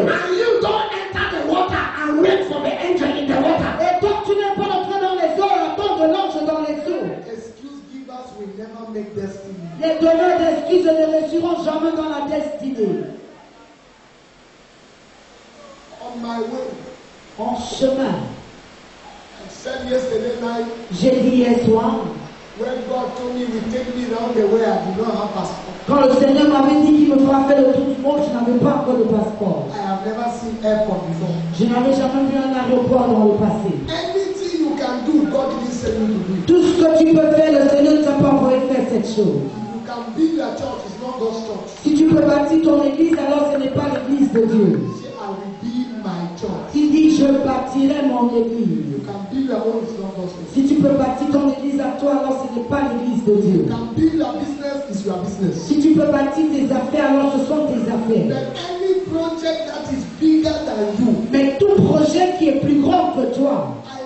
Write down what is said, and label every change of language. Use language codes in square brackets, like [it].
[en] And you don't enter the water and wait for the angel in the water. [fr] Et toi tu n'es pas entré dans les eaux, attends de l'ange dans les eaux. Les donneurs d'excuses ne resteront jamais dans la destinée. [en] On my way. [fr] En chemin. [en] I said yesterday night, [fr] j'ai dit hier soir. [en] When God told me we take me round the way, I did not have passport. [fr] Quand le Seigneur m'avait dit qu'il me ferait faire le tour du monde, je n'avais pas encore de passeport. [en] I have never seen airport before. [fr] Je n'avais jamais vu un aéroport dans le passé. [en] Can do, God didn't send you to do. [fr] Tout ce que tu peux faire, le Seigneur ne t'a pas envoyé faire cette chose. [en] You can build your church, it's not God's church. [fr] Si tu peux bâtir ton église, alors ce n'est pas l'église de Dieu. [en] Say, I will build my church. [fr] Il dit, je bâtirai mon église. [en] You can build your own, it's not God's church. [fr] Si tu peux bâtir ton église à toi, alors ce n'est pas l'église de Dieu. [en] You can build your business, it's your business. [fr] Si tu peux bâtir tes affaires, alors ce sont tes affaires. [en] Then any project that is bigger than you. [fr] Mais tout projet qui est plus grand que toi.